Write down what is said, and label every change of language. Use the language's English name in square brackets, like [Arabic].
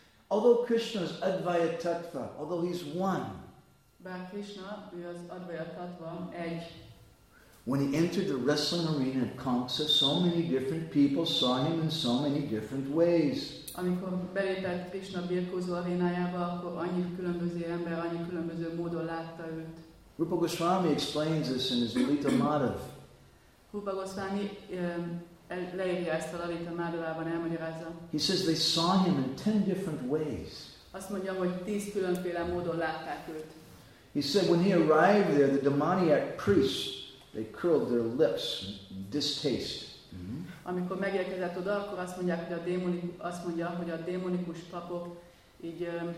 [English] Although Krishna's Advaita Tattva, although he's one, [Hungarian] bár Krishna, ő az Advaita Tattva, egy. [English] When he entered the wrestling arena at Kamsa, so many different people saw him in so many different ways. [Hungarian] Amikor belépett Krishna birkózó arénájába, akkor annyi különböző ember, annyi különböző módon látta őt. [English] Rupa Goswami explains this in his Lalita Madhav. [Hungarian] Rupa Goswami leírja ezt a Lalita Madhavában, elmagyarázza. [English] He says they saw him in 10 different ways. [Hungarian] Azt mondja, hogy 10 különféle módon látták őt. [English] He said when he arrived there, the demoniac priests, they curled their lips in distaste. [Hungarian] Amikor megérkezett oda, akkor azt mondja, hogy a démonikus papok így